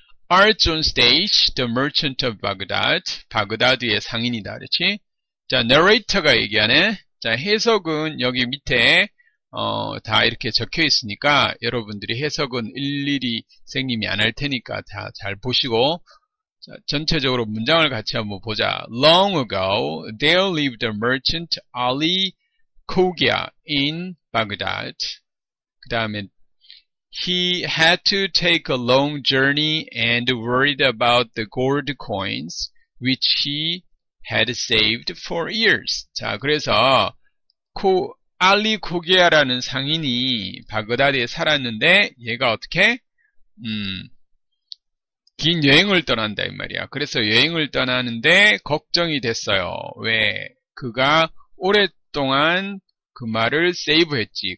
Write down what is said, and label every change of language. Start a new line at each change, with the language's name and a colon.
English: Arts on stage, the merchant of Baghdad.
Korean: 바그다드의 상인이다. 그렇지? 자, 내레이터가 얘기하네. 자, 해석은 여기 밑에 다 이렇게 적혀 있으니까 여러분들이 해석은 일일이 선생님이 안할 테니까 다잘 보시고 자, 전체적으로 문장을 같이 한번 보자.
English: Long ago, there lived a merchant Ali Khogia in Baghdad.
Korean: 그 다음에
English: he had to take a long journey and worried about the gold coins which he had saved for years.
Korean: 자, 그래서 알리 코기아라는 상인이 바그다드에 살았는데 얘가 어떻게 긴 여행을 떠난다 이 말이야. 그래서 여행을 떠나는데 걱정이 됐어요. 왜? 그가 오랫동안 그 말을 세이브했지.